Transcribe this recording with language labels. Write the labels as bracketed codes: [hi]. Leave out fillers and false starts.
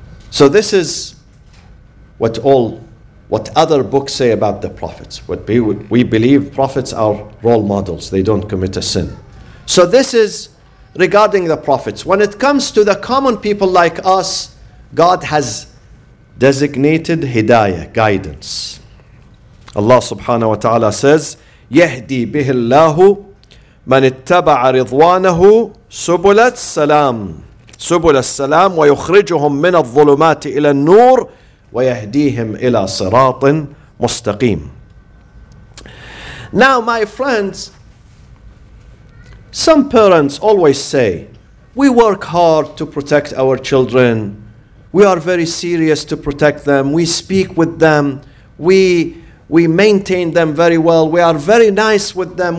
[en] So this is what other books say about the prophets. What we believe prophets are role models. They don't commit a sin. So this is regarding the prophets. When it comes to the common people like us, God has designated hidayah, guidance. Allah subhanahu wa ta'ala says, [ar] يَهْدِي بِهِ اللَّهُ مَنِ اتَّبَعَ رِضْوَانَهُ سُبُلَ السَّلَامِ سُبُلَ السَّلَامِ وَيُخْرِجُهُمْ مِنَ الظُّلُمَاتِ إِلَى النُّورِ وَيَهْدِيهِمْ إِلَى صِرَاطٍ مُسْتَقِيمٍ. [en] Now, my friends, some parents always say, we work hard to protect our children. We are very serious to protect them. We speak with them. We maintain them very well. We are very nice with them.